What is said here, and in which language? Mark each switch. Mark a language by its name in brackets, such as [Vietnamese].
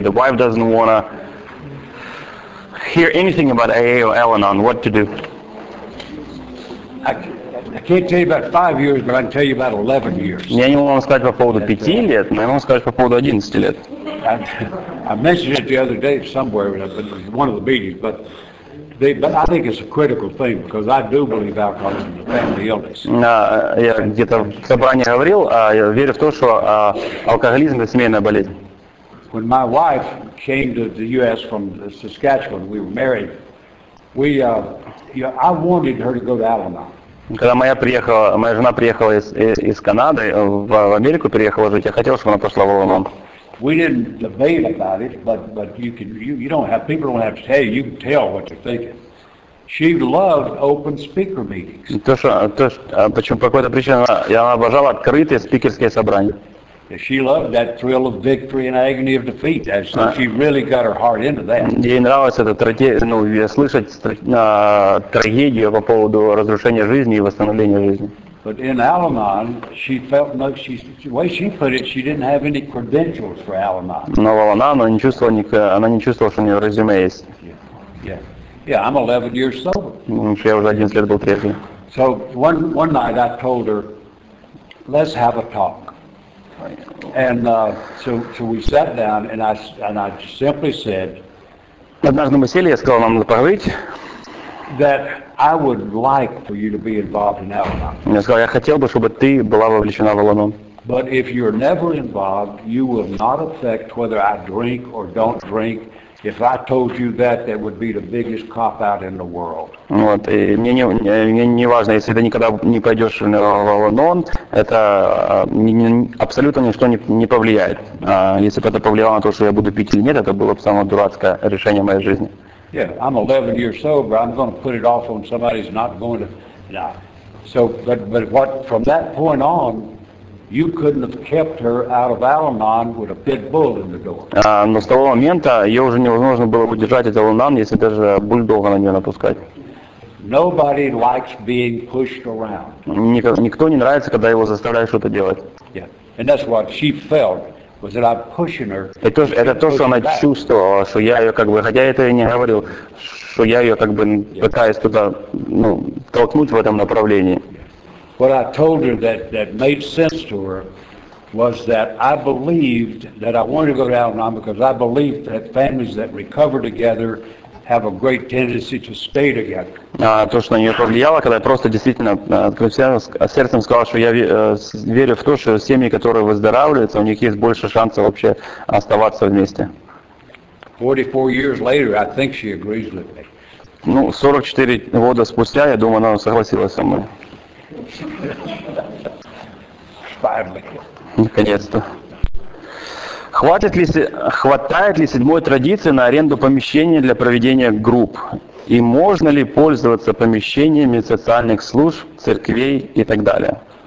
[English] The wife doesn't wanna hear anything about AA or Aranon. What to do? I can't tell you about 5 years, but I can tell you about 11 years. [Russian] Я не могу вам сказать по поводу 5 лет, но я могу сказать по поводу 11 лет. [English] I mentioned it the other day somewhere, but one of the meetings. But I think it's a critical thing because I do believe alcoholism is a family illness. [Russian] Я где-то в собрании говорил, а я верю в то, что алкоголизм это семейная болезнь. [English] When my wife came to the U.S. from Saskatchewan, we were married. I wanted her to go to Alabama. [Russian] Когда моя жена приехала из Канады в Америку, приехала жить, я хотел, чтобы она пошла в Алланон. [English] We didn't debate about it, but people don't have to tell you, you can tell what you're thinking. She loved open speaker meetings. [Russian] Почему по какой-то причине она обожала открытые спикерские собрания. [English] She loved that thrill of victory and agony of defeat. So she really got her heart into that. [Russian] Ей нравилось это слышать трагедию по поводу разрушения жизни и восстановления жизни. [English] But in Al-Anon, she felt no. She, the way she put it, she didn't have any credentials for Al-Anon. [Russian] Но в Al-Anon она не чувствовала, что у нее резюме есть. [English] Yeah, I'm 11 years sober. [Russian] Я уже 11 лет был трезвый. [English] So one night I told her, let's have a talk. And so we sat down, and I simply said. [Russian] Однажды мы сели, я сказал, нам надо поговорить. [English] That I would like for you to be involved in Al-Anon. [Russian] Я сказал, я хотел бы, чтобы ты была вовлечена в Al-Anon. [English] But if you're never involved, you will not affect whether I drink or don't drink. If I told you that would be the biggest cop out in the world. [Russian] Вот, и мне не важно, если ты никогда не пойдешь в Al-Anon, это абсолютно ничто не повлияет. Если бы это повлияло на то, что я буду пить или нет, это было бы самое дурацкое решение моей жизни. [English] Yeah, I'm 11 years sober. I'm going to put it off on somebody who's not going to. Nah. So, but what from that point on, you couldn't have kept her out of Al-Anon with a pit bull in the door. [Russian] Но с того момента ее уже невозможно было удержать из Al-Anon, если даже бульдога на нее напускать. [English] Nobody likes being pushed around. [Russian] Никто не нравится, когда его заставляют что-то делать. [English] Yeah, and that's what she felt. Was that I'm pushing her? [Russian] Это то, что она чувствовала, что я ее как бы, хотя я это и не говорил, что я ее как бы пытаюсь туда, ну, толкнуть в этом направлении. [English] What I told her that made sense to her was that I believed that I wanted to go to Al-Anon because I believed that families that recover together have a great tendency to stay together. [Russian] То, что на нее повлияло, когда я просто действительно открыв сердцем сказал, что я верю в то, что семьи, которые выздоравливаются, у них есть больше шансов вообще оставаться вместе. [English] 44 years later, I think she agrees with me. [Russian] Ну, 44 года спустя, я думаю, она согласилась со мной. [English] Finally. [Russian] Наконец-то. Хватает ли седьмой традиции на аренду помещений для проведения групп? И можно ли пользоваться помещениями социальных служб, церквей и так далее?